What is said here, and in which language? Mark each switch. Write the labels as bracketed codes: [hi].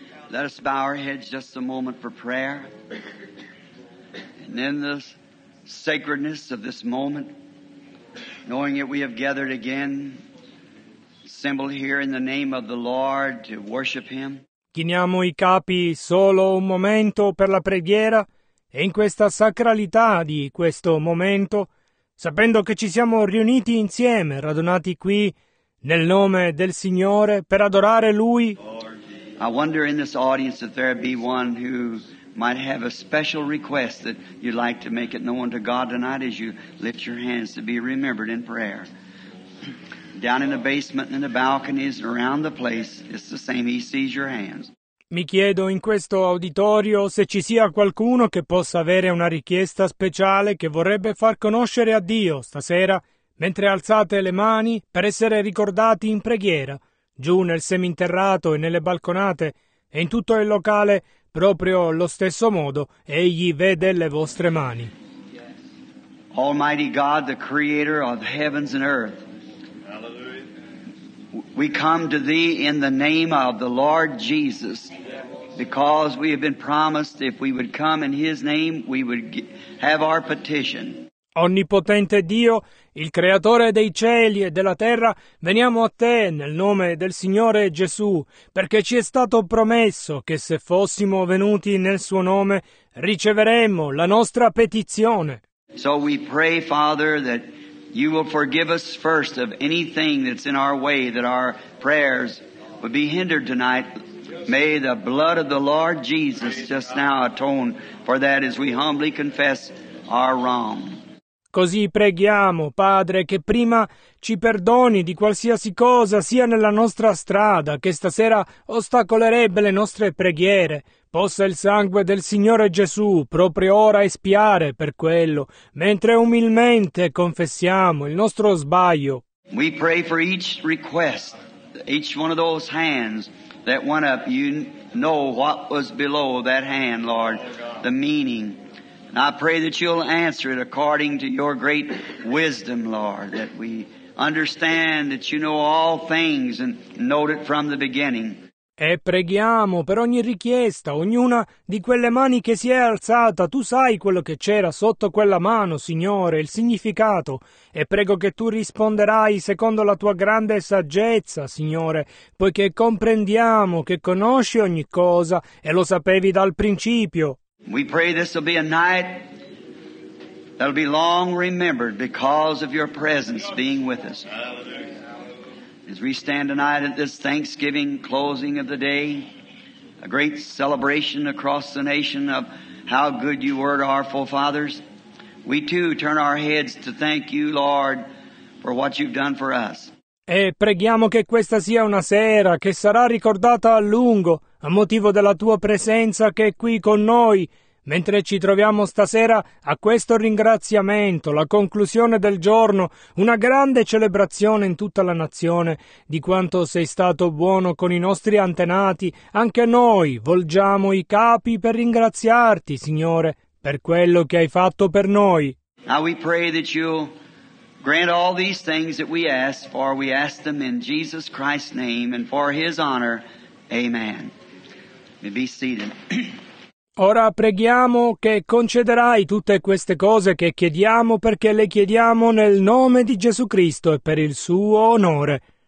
[en] Let us bow our heads just a moment for prayer. And in the sacredness of this moment, knowing that we have gathered again, assembled here in the name of the Lord to worship Him. [it] Chiniamo i capi solo un momento per la preghiera e in questa sacralità di questo momento, sapendo che ci siamo riuniti insieme, radunati qui nel nome del Signore per adorare Lui. [en] I wonder in this audience if there be one who might have a special request that you'd like to make it known to God tonight as you lift your hands to be remembered in prayer. Down in the basement, in the balconies, around the place, it's the same. He sees your hands. [it] Mi chiedo in questo auditorio se ci sia qualcuno che possa avere una richiesta speciale che vorrebbe far conoscere a Dio stasera, mentre alzate le mani per essere ricordati in preghiera. Giù nel seminterrato e nelle balconate e in tutto il locale, proprio lo stesso modo, egli vede le vostre mani. [en] Almighty God, the creator of heavens and earth, we come to thee in the name of the Lord Jesus, because we have been promised if we would come in his name, we would have our petition. [it] Onnipotente Dio, il Creatore dei cieli e della terra, veniamo a Te nel nome del Signore Gesù, perché ci è stato promesso che se fossimo venuti nel Suo nome, riceveremmo la nostra petizione. [en] So we pray, Father, that You will forgive us first of anything that's in our way, that our prayers would be hindered tonight. May the blood of the Lord Jesus just now atone for that as we humbly confess our wrong. [it] Così preghiamo, Padre, che prima ci perdoni di qualsiasi cosa sia nella nostra strada che stasera ostacolerebbe le nostre preghiere. Possa il sangue del Signore Gesù proprio ora espiare per quello, mentre umilmente confessiamo il nostro sbaglio. [en] We pray for each request, each one of those hands that went up. You know what was below that hand, Lord, the meaning. And I pray that you'll answer it according to your great wisdom, Lord, that we understand that you know all things and know it from the beginning. [it] E preghiamo per ogni richiesta, ognuna di quelle mani che si è alzata. Tu sai quello che c'era sotto quella mano, Signore, il significato. E prego che Tu risponderai secondo la Tua grande saggezza, Signore, poiché comprendiamo che conosci ogni cosa e lo sapevi dal principio. [en] We pray this will be a night that will be long remembered because of your presence being with us. As we stand tonight at this Thanksgiving closing of the day, a great celebration across the nation of how good you were to our forefathers, we too turn our heads to thank you, Lord, for what you've done for us. [it] E preghiamo che questa sia una sera che sarà ricordata a lungo a motivo della Tua presenza che è qui con noi, Mentre ci troviamo stasera a questo ringraziamento, la conclusione del giorno, una grande celebrazione in tutta la nazione di quanto sei stato buono con i nostri antenati, anche noi volgiamo i capi per ringraziarti, Signore, per quello che hai fatto per noi. [en] Now we pray that you'll grant all these things that we ask for. We ask them in Jesus Christ's name and for His honor. Amen. Be seated. [it] Ora preghiamo che concederai tutte queste cose che chiediamo perché le chiediamo nel nome di Gesù Cristo e per il suo onore.